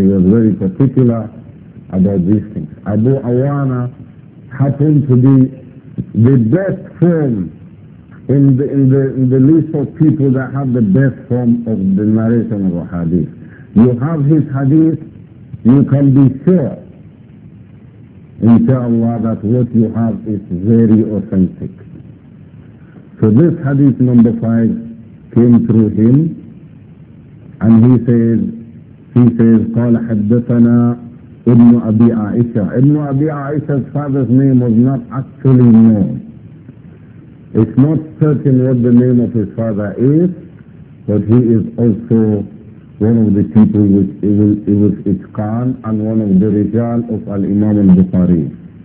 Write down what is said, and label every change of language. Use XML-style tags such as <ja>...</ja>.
<en>He was very particular about these things. Abu Awana happened to be the best form in the list of people that have the best form of the narration of a hadith. You have his hadith, you can be sure, inshallah, that what you have is very authentic. So this hadith number 5 came through him. And he says,</en> <ar>قال حدثنا ابن أبي عائشة.</ar> <en>Ibn Abi Aisha's father's name was not actually known. It's not certain what the name of his father is, but he is also one of the people which it was Itqan and one of the rijal of Al-Imam al-Bukhari.</en>